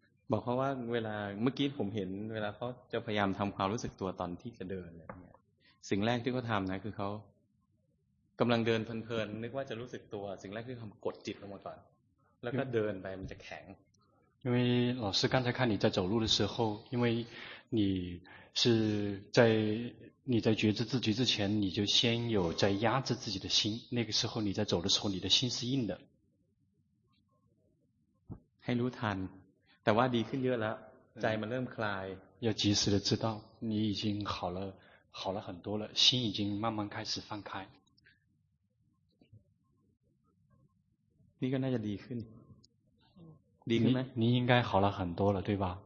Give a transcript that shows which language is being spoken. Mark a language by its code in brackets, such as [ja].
[th] บอกเขาว่าเวลาเมื่อกี้ผมเห็นเวลาเขาจะพยายามทำความรู้สึกตัวตอนที่จะเดินเนี่ยสิ่งแรกที่เขาทำนะคือเขากำลังเดินเพลินๆนึกว่าจะรู้สึกตัวสิ่งแรกที่ทำกดจิตลงมาก่อนแล้วก็เดินไปมันจะแข็ง [zh] 因为老师刚才看你在走路的时候因为你是在你在觉知自觉之前你就先有在压制自己的心那个时候你在走的时候你的心是硬的 [th] ให้รู้ทันแต่ว่าดีขึ้นเยอะแล้วใจมันเริ่มคลาย [zh] 要及时的知道你已经好了很多了心已经慢慢开始放开 [th] นี่ก็น่าจะดีขึ้นดีขึ้นไหม [zh] 你应该好了很多了对吧